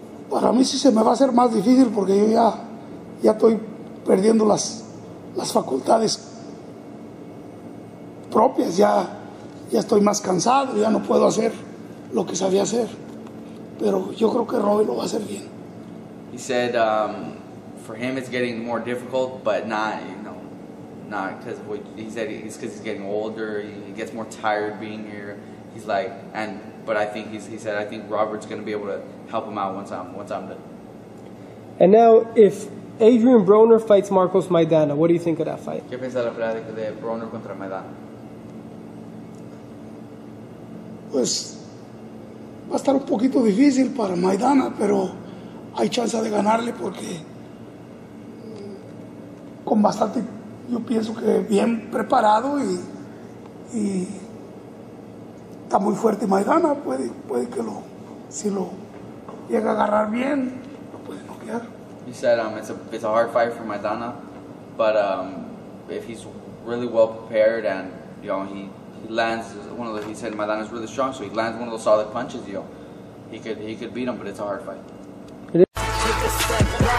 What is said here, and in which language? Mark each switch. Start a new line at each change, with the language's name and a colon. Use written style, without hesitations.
Spanish: Para mí sí se me va a hacer más difícil porque yo ya estoy perdiendo las facultades propias, ya estoy más cansado, ya no puedo hacer lo que sabía hacer, pero yo creo que Robbie lo va a hacer bien.
English: He said for him it's getting more difficult, but because he's getting older, he gets more tired being here. He's like, I think Robert's going to be able to help him out once I'm done. And now, if Adrian Broner fights Marcos Maidana, what do you think of that fight?
Spanish: ¿Qué piensa la pelea de Broner contra Maidana? Pues, va a estar un poquito difícil para Maidana, pero hay chance de ganarle porque con bastante, yo pienso que bien preparado y está muy fuerte Maidana, puede que lo, si lo llega a agarrar bien, lo puede noquear.
English: You said it's a hard fight for Maidana, but if he's really well prepared and you know he lands one of the, he said Maidana's really strong, so he lands one of those solid punches, you know, he could beat him, but it's a hard fight. It is.